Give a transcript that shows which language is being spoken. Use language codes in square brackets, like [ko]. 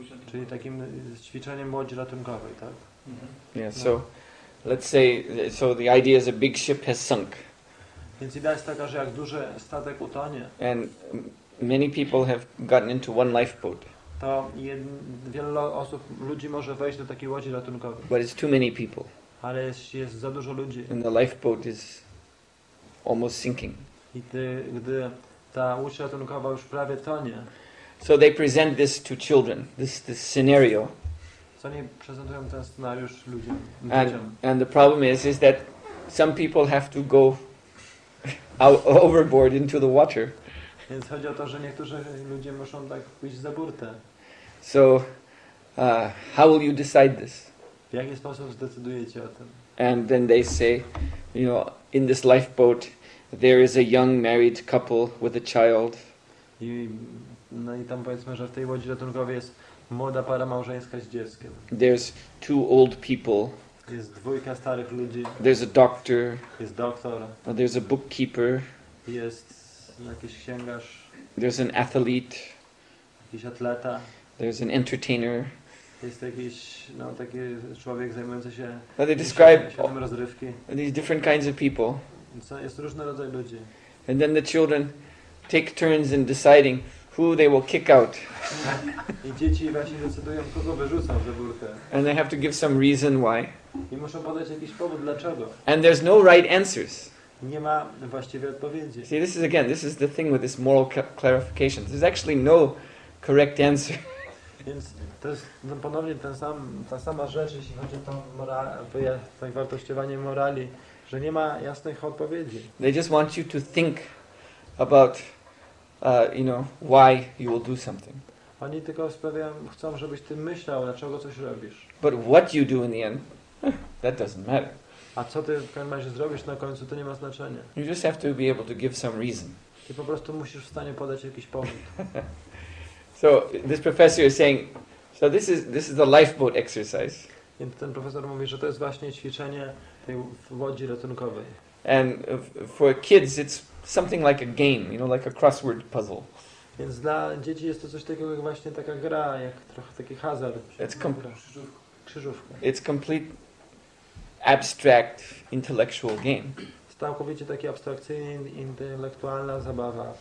[pl] Czyli takim ćwiczeniem łodzi ratunkowej, tak? [en] Mm-hmm. Yeah. So. Let's say, so the idea is a big ship has sunk. [pl] Więc idea jest taka, że jak duży statek utonie. [en] And many people have gotten into one lifeboat. [pl] To wiele osób, ludzi może wejść do takiej łodzi ratunkowej. [en] But it's too many people. [pl] Ale jest za dużo ludzi. [en] And the lifeboat is almost sinking. [pl] I gdy ta łódź ratunkowa już prawie tonie. [en] So they present this to children, this scenario. [pl] To oni prezentują ten scenariusz ludziom. [en] And the problem is that some people have to go overboard into the water. [pl] Więc chodzi o to, że niektórzy ludzie muszą tak pójść za burtę. [en] So how will you decide this? [pl] W jaki sposób zdecydujecie o tym? [en] And then they say, you know, in this lifeboat there is a young married couple with a child. [pl] I tam powiedzmy, że w tej łodzi ratunkowej jest młoda para małżeńska z dzieckiem. [en] There's two old people. [pl] Jest dwójka starych ludzi. [en] There's a doctor. [pl] Jest doktor. [en] There's a bookkeeper. [pl] Jest jakiś księgarz. [en] There's an athlete. [pl] Jakiś atleta. [en] There's an entertainer. [pl] Jest jakiś, no, taki człowiek zajmujący się. [en] But they describe [pl] rozrywki. [en] These different kinds of people. [pl] Jest różny rodzaj ludzi. [en] And then the children take turns in deciding who they will kick out. [pl] I dzieci właśnie decydują, kogo wyrzucą za burtę. [en] And they have to give some reason why. [pl] I muszą podać jakiś powód, dlaczego. [en] And there's no right answers. [pl] Nie ma właściwej odpowiedzi. [en] See, this is again, this is the thing with this moral clarification. There's actually no correct answer. [pl] Więc to jest ponownie ta sama rzecz, jeśli chodzi o to wartościowanie morali, że nie ma jasnych odpowiedzi. [en] They just want you to think about you know, why you will do something. [pl] Oni tylko sprawiają, chcą, żebyś ty myślał, dlaczego coś robisz. [en] But what you do in the end, that doesn't matter. [pl] A co ty w każdym razie zrobisz na końcu, to nie ma znaczenia. [en] You just have to be able to give some reason. [pl] Ty po prostu musisz w stanie podać jakiś powód. [en] So this professor is saying, so this is the lifeboat exercise. [pl] I ten profesor mówi, że to jest właśnie ćwiczenie tej łodzi ratunkowej. [en] And for kids it's something like a game, you know, like a crossword puzzle. [pl] Więc dla dzieci jest to coś takiego jak właśnie taka gra, jak trochę taki hazard. [en] It's [pl] krzyżówka. [en] It's complete abstract intellectual game. [pl] Całkowicie taki abstrakcyjny, intelektualna zabawa.